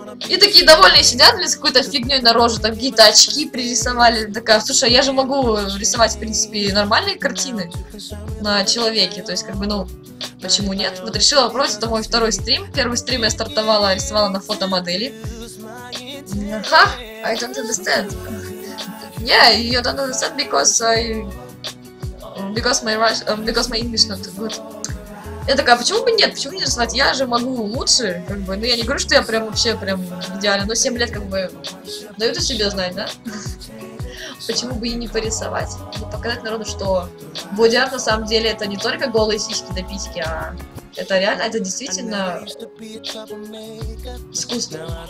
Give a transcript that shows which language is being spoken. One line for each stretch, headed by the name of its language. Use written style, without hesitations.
Russian: И такие довольные сидят, блин, с какой-то фигнёй на роже, там какие-то очки пририсовали. Такая, слушай, я же могу рисовать, в принципе, нормальные картины на человеке. То есть, как бы, ну, почему нет? Вот решила попробовать, это мой второй стрим. Первый стрим я стартовала, рисовала на фотомодели.
English: Ха! I don't understand. Yeah, you don't understand because my English not good.
Russian: Я такая, почему бы нет, почему не рисовать? Я же могу лучше, как бы. Ну, я не говорю, что я прям вообще прям идеально, но 7 лет, как бы, дают о себе знать, да? Почему бы и не порисовать? И показать народу, что боди-арт на самом деле это не только голые сиськи да письки, а это реально, это действительно искусство.